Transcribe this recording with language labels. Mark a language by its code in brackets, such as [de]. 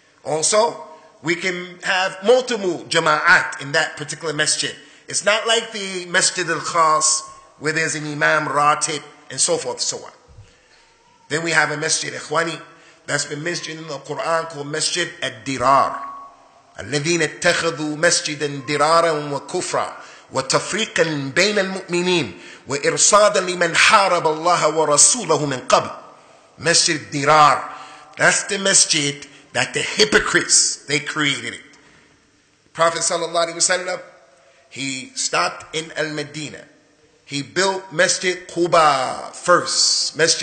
[en] Also, we can have multiple jama'at in that particular masjid. It's not like the Masjid al-Khas where there's an imam, ratib, and so forth, so on. Then we have a masjid ikhwani. That's been mentioned in the Quran called Masjid al-Dirar. [ar] الَّذِينَ اتَّخَذُوا مَسْجِدًا دِرَارًا وَكُفْرًا وَتَفْرِيقًا بَيْنَ الْمُؤْمِنِينَ وَإِرْصَادًا لِمَنْ حَارَبَ اللَّهَ وَرَسُولَهُ مِنْ قَبْلِ Masjid al-Dirar. [en] That's the masjid that the hypocrites, they created it. Prophet sallallahu alaihi wasallam, he stopped in al-Medina. He built Masjid Quba first.